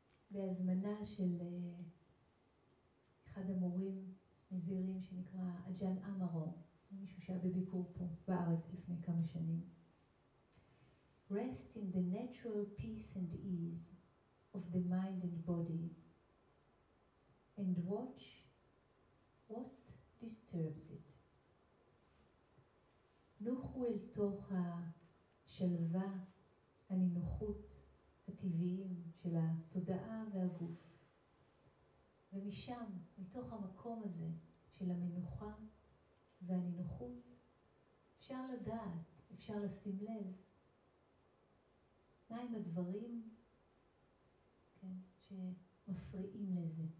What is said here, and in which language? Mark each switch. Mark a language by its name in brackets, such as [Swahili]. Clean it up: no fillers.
[Hebrew] בהזמנה של אחד המורים נזירים שנקרא אג'אן אמרו, מישהו שהיה בביקור פה בארץ לפני כמה שנים. [English] Rest in the natural peace and ease of the mind and body and watch what disturbs it. [Hebrew] נוחו אל תוך השלווה, הנינוחות הטבעיים של התודעה והגוף. ומשם, מתוך המקום הזה של המנוחה והנינוחות, אפשר לדעת, אפשר לשים לב, מהם הדברים, כן, שמפריעים לזה?